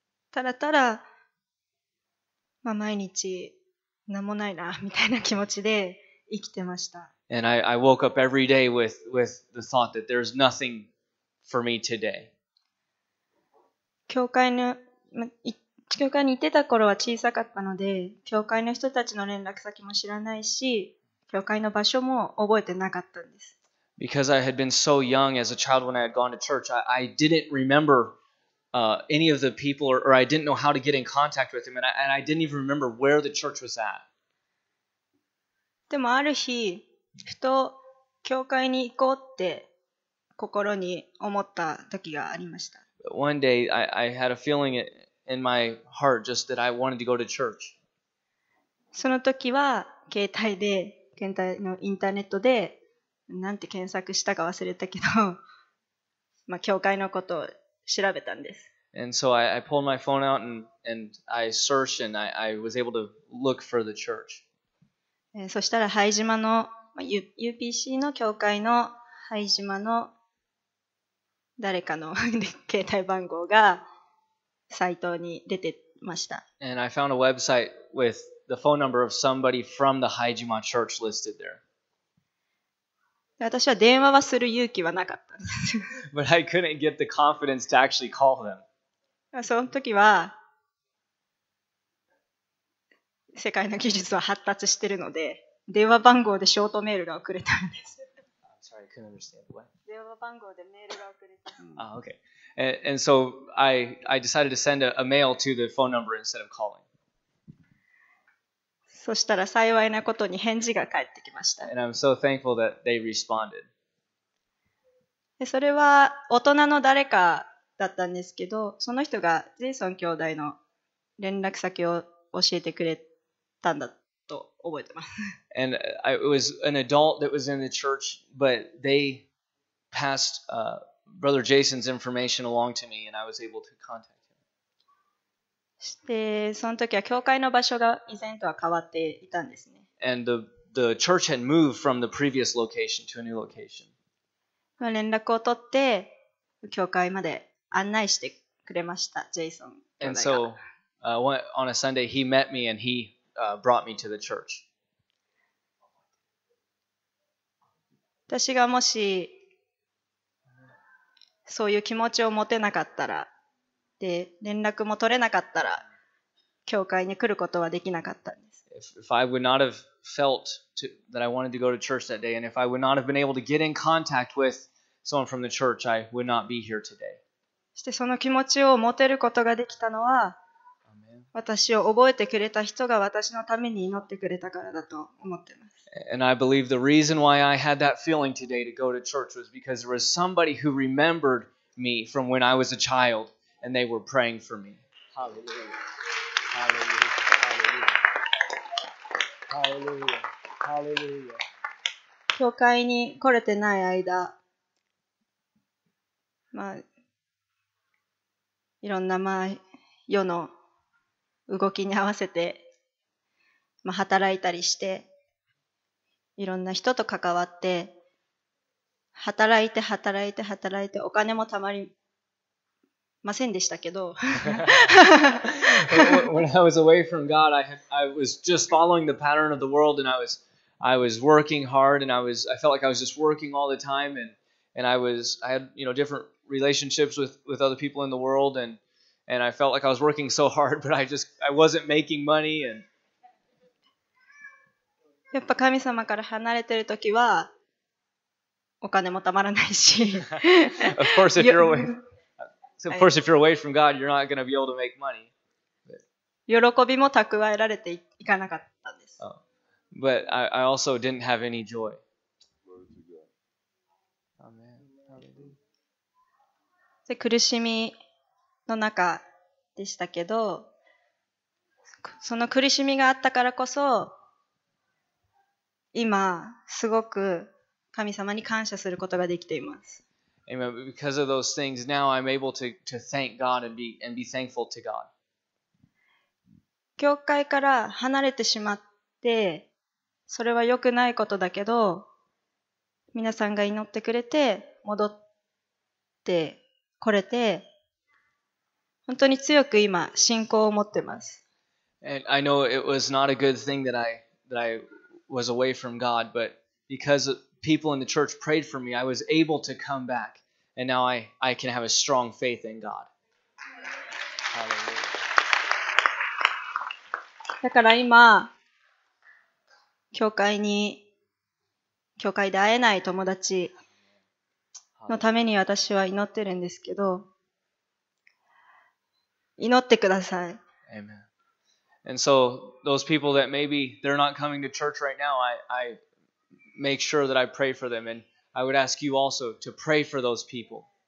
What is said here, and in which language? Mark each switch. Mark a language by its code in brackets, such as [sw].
[ja] ただただ、まあ、毎日、何もないなみたいな気持ちで生きてました。 [en] And I woke up every day with the thought that there's nothing for me today. [ja] 教会に行ってた頃は小さかったので、教会の人たちの連絡先も知らないし、教会の場所も覚えてなかったんです。 [en] Because I had been so young as a child when I had gone to church, I didn't remember any of the people or I didn't know how to get in contact with them and I didn't even remember where the church was at. [ja] でもある日、ふと教会に行こうって心に思った時がありました。 [en] But one day, I had a feeling in my heart just that I wanted to go to church. [ja] その時は携帯のインターネットでなんて検索したか忘れたけど、まあ、教会のことを調べたんです。 [en] And so I pulled my phone out and I searched and I was able to look for the church. [ja] そしたら、拝島の、UPC の教会の拝島の誰かの携帯番号がサイトに出てました。 [en] And I found a website with the phone number of somebody from the Haijima church listed there. [ja] 私は電話はする勇気はなかったんです。 [en] But I couldn't get the confidence to actually call them. [ja] その時は、世界の技術は発達してるので、電話番号でショートメールが送れたんです。 [en] Sorry, I couldn't understand. What? [ja] 電話番号でメールが送れたんです。 [en] Ah, okay. And so I decided to send a mail to the phone number instead of calling. [ja] そしたら幸いなことに返事が返ってきました。 [en] And I'm so thankful that they responded. [ja] それは大人の誰かだったんですけど、その人がジェイソン兄弟の連絡先を教えてくれたんだと覚えてます。 [en] And it was an adult that was in the church, but they passed Brother Jason's information along to me, and I was able to contact. [ja] その時は教会の場所が以前とは変わっていたんですね。 [en] And the church had moved from the previous location to a new location. [ja] 連絡を取って教会まで案内してくれました、ジェイソン。 [en] And so, on a Sunday, he met me and he brought me to the church. [ja] 私がもしそういう気持ちを持てなかったら、で連絡も取れなかったら教会に来ることはできなかったんです。 [en] If I would not have felt that I wanted to go to church that day, and if I would not have been able to get in contact with someone from the church, I would not be here today. [ja] してその気持ちを持てることができたのは、私を覚えてくれた人が私のために祈ってくれたからだと思っています。 [en] And I believe the reason why I had that feeling today to go to church was because there was somebody who remembered me from when I was a child. And they were praying for me. Hallelujah. Hallelujah. Hallelujah. Hallelujah. Hallelujah. [ja] 教会に来れてない間、まあ、いろんな、まあ、世の動きに合わせて、まあ、働いたりして、いろんな人と関わって、働いて働いて働いて、お金もたまり、ませんでしたけど。 [en] When I was away from God, I was just following the pattern of the world, and I was working hard, and I felt like I was just working all the time, and I had you know different relationships with other people in the world, and I felt like I was working so hard, but I wasn't making money. And [ja] やっぱ神様から離れてる時はお金もたまらないし。 [en] Of course, if you're away. So, of course, if you're away from God, you're not going to be able to make money. But... [ja] 喜びも蓄えられていかなかったんです。 [en] Oh. But I also didn't have any joy. Amen. [ja] で苦しみの中でしたけど、その苦しみがあったからこそ、今すごく神様に感謝することができています。 [en] Amen. Because of those things, now I'm able to thank God and be thankful to God. [ja] 教会から離れてしまって、それは良くないことだけど、皆さんが祈ってくれて、戻ってこれて、本当に強く今、信仰を持ってます。 [en] And I know it was not a good thing that I was away from God, but because people in the church prayed for me, I was able to come back. And now I can have a strong faith in God. [ja] だから今教会に教会で会えない友達のために私は祈ってるんですけど、祈ってください。 [en] Amen. And so those people that maybe they're not coming to church right now, I make sure that I pray for them, and I would ask you also to pray for those people.